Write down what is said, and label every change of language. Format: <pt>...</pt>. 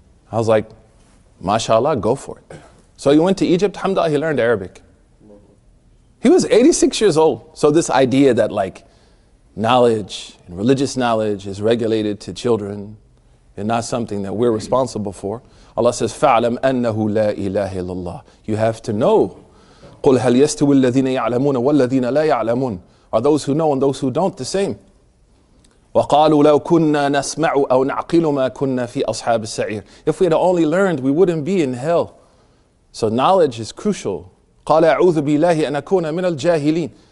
<en>I was like, mashallah, go for it. So he went to Egypt, alhamdulillah, he learned Arabic. He was 86 years old. So this idea that like knowledge, and religious knowledge is regulated to children and not something that we're responsible for.</en> <ar>Allah says, فَعْلَمْ أَنَّهُ لَا إِلَهِ إِلَّا اللَّهِ.</ar> <en>You have to know.</en> <ar>قُلْ هَلْ يَسْتُوِ الَّذِينَ يَعْلَمُونَ وَالَّذِينَ لَا يَعْلَمُونَ.</ar> <en>Are those who know and those who don't the same?</en> <ar>وَقَالُوا لَوْ كُنَّا نَسْمَعُ أَوْ نَعْقِلُ مَا كُنَّا فِي أَصْحَابِ السَّعِيرِ.</ar> <en>If we had only learned, we wouldn't be in hell. So knowledge is crucial.</en> <ar>قَالَ أَعُوذُ بِاللَّهِ أَنْ أَكُونَ مِنَ الْجَاهِلِينَ.</ar>